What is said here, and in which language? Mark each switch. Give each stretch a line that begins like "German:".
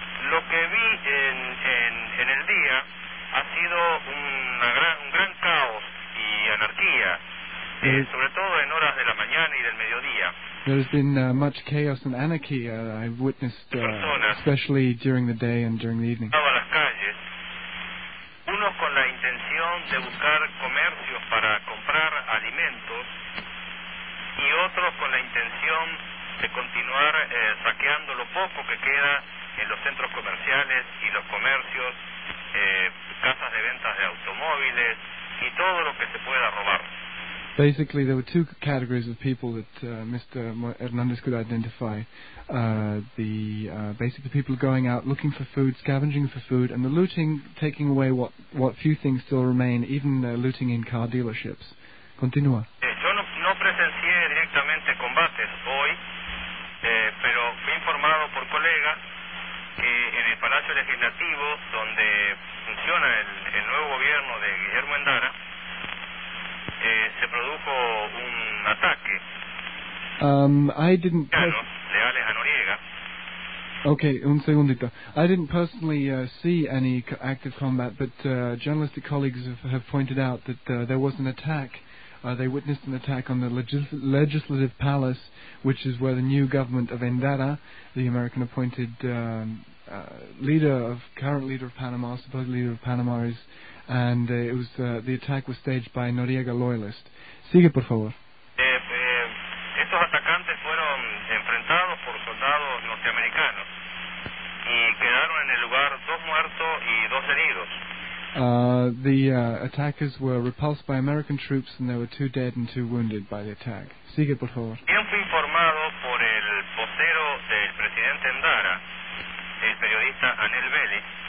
Spanish: Lo que vi en el día ha sido un gran caos y anarquía, sobre todo en horas de la mañana y del mediodía.
English: There has been much chaos and anarchy I've witnessed, especially during the day and during the evening.
Spanish: Estaba a las calles, unos con la intención de buscar comercios para comprar alimentos y otros con la intención de continuar saqueando lo poco que queda en los centros comerciales y los comercios, casas de ventas de automóviles y todo lo que se pueda robar.
English: Basically, there were two categories of people that Mr. Hernandez could identify. Basically, people going out looking for food, scavenging for food, and the looting, taking away what few things still remain, even looting in car dealerships.
Spanish: Continúa. Yo no presencié directamente combates hoy, pero fui informado por colegas que en el Palacio Legislativo, donde funciona el nuevo gobierno de Guillermo Endara, se produjo un ataque.
English: I didn't.
Spanish: De Alex a Noriega. Okay, un segundito.
English: I didn't personally see any active combat, but journalistic colleagues have pointed out that there was an attack. They witnessed an attack on the legislative palace, which is where the new government of Endara, the American-appointed supposed leader of Panama, is, and it was the attack was staged by Noriega loyalist.
Spanish: Sigue, por favor. Estos atacantes fueron enfrentados por soldados norteamericanos y quedaron en el lugar dos muertos y dos heridos.
English: The attackers were repulsed by American troops, and there were two dead and two wounded by the attack.
Spanish: Sigue, por favor. Bien fui informado por el vocero del presidente Endara, el periodista Anel Vélez.